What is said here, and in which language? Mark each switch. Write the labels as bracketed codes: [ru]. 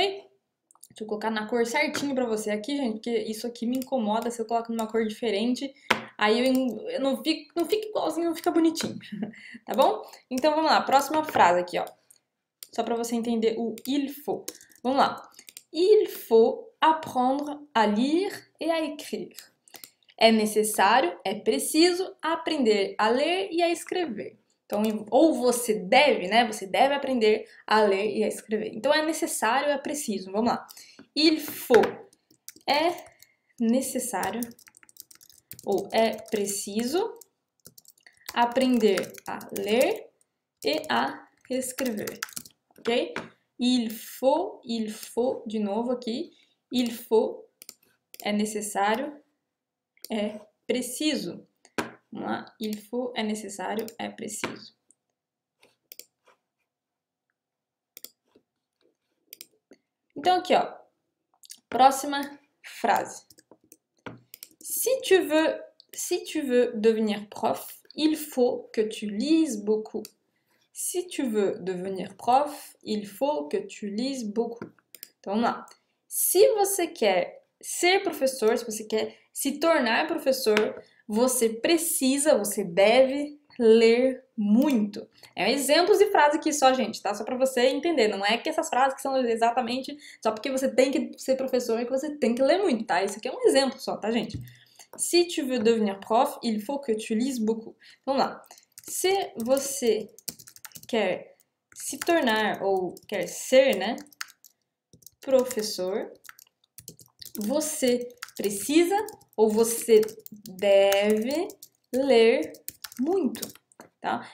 [pt] Deixa eu colocar na cor certinho pra você aqui, gente, porque isso aqui me incomoda se eu coloco numa cor diferente. Aí eu não fico igualzinho, não fica bonitinho. Tá bom? Então vamos lá, próxima frase aqui, ó. Só para você entender o il faut. Vamos lá. [fr] Il faut apprendre à lire et à écrire. [pt] É necessário, é preciso aprender a ler e a escrever. Então, ou você deve, né? Você deve aprender a ler e a escrever. Então é necessário, é preciso. Vamos lá. Il faut é necessário. Ou é preciso aprender a ler e a escrever, ok? Il faut, de novo aqui, il faut, é necessário, é preciso. Vamos lá, il faut, é necessário, é preciso. Então, aqui, ó, próxima Phrase. [fr] Si tu veux devenir prof, il faut que tu lises beaucoup. Si tu veux devenir prof, il faut que tu lises beaucoup. [pt] Então, lá. Se você quer ser professor, se você quer se tornar professor, você deve ler muito. É exemplos de frase aqui só, gente, tá? Só para você entender. Não é que essas frases que são exatamente só porque você tem que ser professor e que você tem que ler muito, tá? Isso aqui é um exemplo só, tá, gente? [fr] Si tu veux devenir prof, il faut que tu lises beaucoup. [pt] Vamos lá. Se você quer se tornar ou quer ser, né, professor, você precisa ou você deve ler muito, tá?